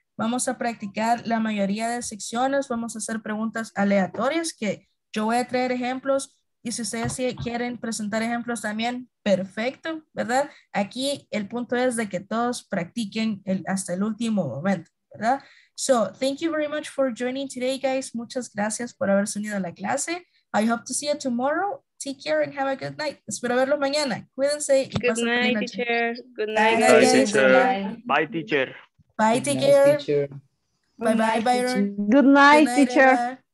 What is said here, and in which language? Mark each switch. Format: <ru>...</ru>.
<es>Vamos a practicar la mayoría de secciones. Vamos a hacer preguntas aleatorias que yo voy a traer ejemplos. Y si ustedes quieren presentar ejemplos también, perfecto, ¿verdad? Aquí el punto es de que todos practiquen hasta el último momento, ¿verdad?</es> <en>So, thank you very much for joining today, guys.</en> <es>Muchas gracias por haberse unido a la clase.</es> <en>I hope to see you tomorrow. Take care and have a good night.</en> <es>Espero verlos mañana. Cuídense.</es> <en>Good night, teacher. Good night. Bye, teacher. Bye, teacher. Bye, teacher. Bye, bye, Byron. Good night, teacher.</en>